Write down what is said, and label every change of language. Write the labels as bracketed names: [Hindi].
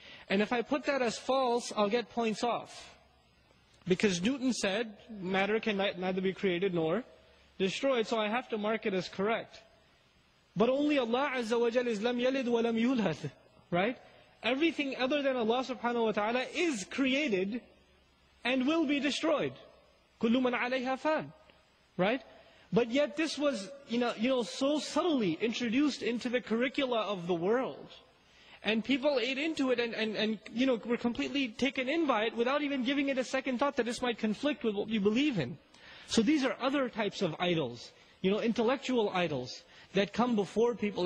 [English] And if I put that as false, I'll get points off. Because Newton said, matter can neither be created nor destroyed, so I have to mark it as correct. But only Allah Azza wa Jal is [Arabic] لم يلد ولم يولد, [English] right? Everything other than Allah subhanahu wa ta'ala is created and will be destroyed. [Arabic] كُلُّ مَنْ عَلَيْهَا فَانٍ, [English] right? But yet this was, you know, so subtly introduced into the curricula of the world. And people ate into it and you know, were completely taken in by it without even giving it a second thought that this might conflict with what you believe in. So these are other types of idols, you know, intellectual idols that come before people.